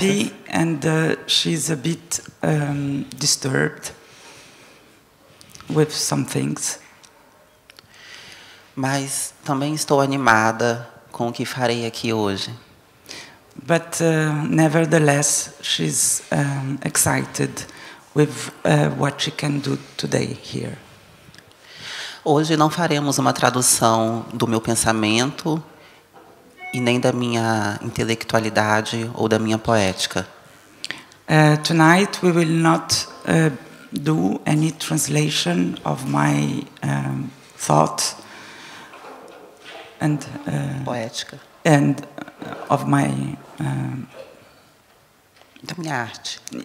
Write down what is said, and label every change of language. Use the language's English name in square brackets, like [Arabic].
[English] She's happy and she's a bit disturbed with some things. [Portuguese] Mas também estou animada com o que farei aqui hoje. [English] But nevertheless, she's excited with what she can do today here. [Portuguese] Hoje não faremos uma tradução do meu pensamento e nem da minha intelectualidade ou da minha poética. [English] Tonight we will not do any translation of my thought and [Portuguese] poética. [English] And of my [Portuguese] da minha arte.